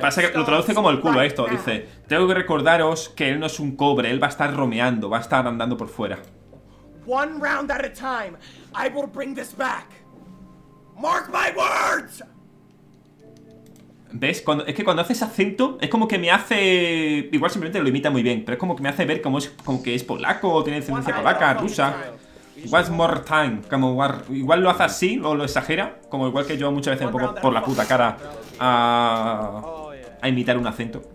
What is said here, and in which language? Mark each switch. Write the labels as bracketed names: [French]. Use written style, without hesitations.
[Spanish] Pasa que lo traduce como el culo esto. Dice, tengo que recordaros que él no es un cobre, él va a estar romeando, va a estar andando por fuera. [English] One round at a time, I will bring this back. Mark my words. [Spanish] ¿Ves? Cuando hace ese acento, es como que me hace. Igual simplemente lo imita muy bien, pero es como que me hace ver como es, como que es polaco, o tiene descendencia polaca, rusa. [English] One more time. [Spanish] Como igual lo hace así, o lo exagera. Como igual que yo muchas veces un poco por la puta cara a imitar un acento.